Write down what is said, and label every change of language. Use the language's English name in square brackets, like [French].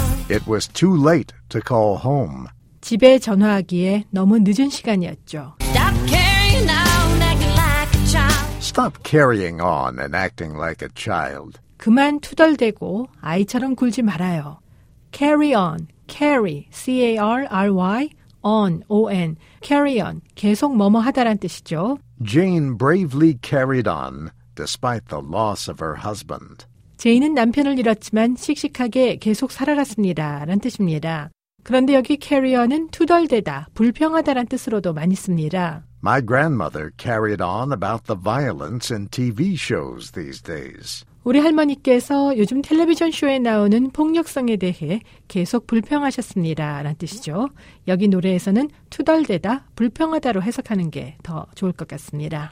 [English] it was too late to call home. [Korean] 집에 전화하기에 너무 늦은 시간이었죠. [English] Stop carrying on, acting like a child. Stop carrying on and acting like a child. [Korean] 그만 투덜대고 아이처럼 굴지 말아요. [English] Carry on, carry, C-A-R-R-Y, on, O-N, carry on, [Korean] 계속 뭐뭐 하다란 뜻이죠. [English] Jane bravely carried on, despite the loss of her husband. [Korean] 제인은 남편을 잃었지만 씩씩하게 계속 살아갔습니다, 라는 뜻입니다. 그런데 여기 carry on은 투덜대다, 불평하다란 뜻으로도 많이 씁니다. [English] My grandmother carried on about the violence in TV shows these days. [Korean] 우리 할머니께서 요즘 텔레비전 쇼에 나오는 폭력성에 대해 계속 불평하셨습니다. 라는 뜻이죠. 여기 노래에서는 투덜대다, 불평하다로 해석하는 게 더 좋을 것 같습니다.